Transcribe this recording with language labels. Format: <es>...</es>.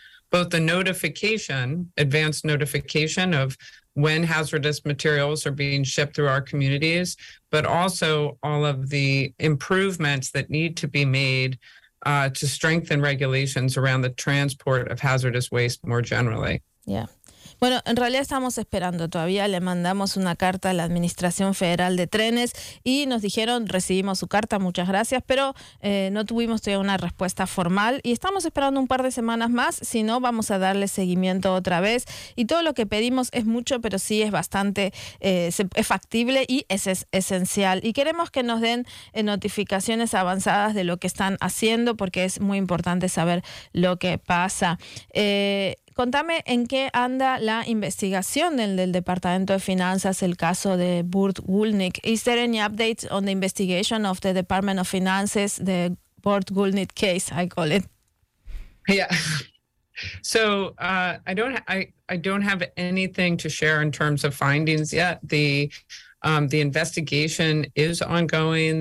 <en>Both the notification, advanced notification of when hazardous materials are being shipped through our communities, but also all of the improvements that need to be made to strengthen regulations around the transport of hazardous waste more generally.</en> <es>Yeah. Bueno, en realidad estamos esperando todavía. Le mandamos una carta a la Administración Federal de Trenes y nos dijeron, recibimos su carta, muchas gracias, pero no tuvimos todavía una respuesta formal y estamos esperando un par de semanas más. Si no, vamos a darle seguimiento otra vez. Y todo lo que pedimos es mucho, pero sí es bastante es factible y es esencial. Y queremos que nos den notificaciones avanzadas de lo que están haciendo porque es muy importante saber lo que pasa. Contame en qué anda la investigación del Departamento de Finanzas, el caso de Burt Gulnick.</es> <en>Is there any updates on the investigation of the Department of Finances, the Burt Gulnick case, I call it? Yeah. So I don't have anything to share in terms of findings yet. The investigation is ongoing.</en>